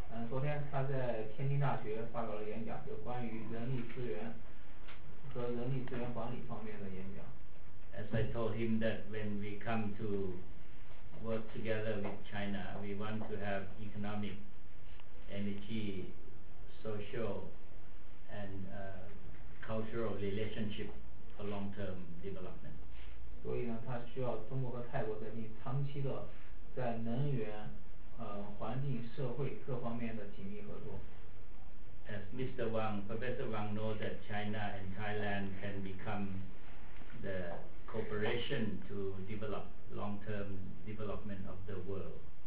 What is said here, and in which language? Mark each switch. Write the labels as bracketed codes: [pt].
[zh] 昨天他在天津大学发表了演讲，有关于人力资源和人力资源管理方面的演讲。 [en] As I told him that when we come to work together with China, we want to have economic, energy, social, and cultural relationship for long-term development. [zh] 所以呢，他需要中国和泰国人民长期的在能源、环境、社会各方面的紧密合作。 [en] As Mr. Wang, Professor Wang knows that China and Thailand can become the cooperation to develop long-term development of the world.